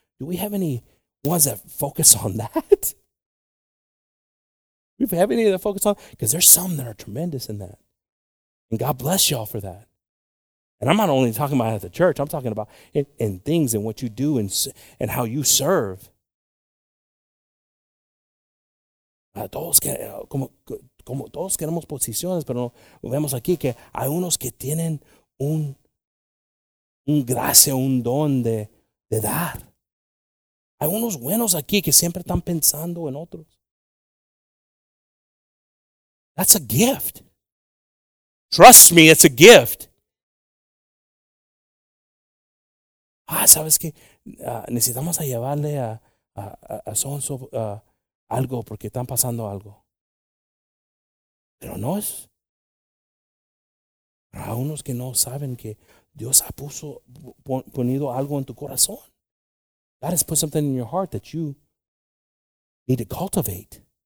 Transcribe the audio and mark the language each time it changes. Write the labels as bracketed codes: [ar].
[en] Do we have any ones that focus on that? Do we have any that focus on? Because there's some that are tremendous in that. And God bless y'all for that. And I'm not only talking about it at the church. I'm talking about it in things and what you do and how you serve. [es] Como todos queremos posiciones, pero vemos aquí que hay unos que tienen un gracia, un don de dar. Hay unos buenos aquí que siempre están pensando en otros. [en] That's a gift. Trust me, it's a gift. [es] Ah, sabes que necesitamos a llevarle a Sonso algo porque están pasando algo. Pero no es. Para unos que no saben que Dios ha ponido algo en tu corazón. [en] God has put something in your heart that you need to cultivate.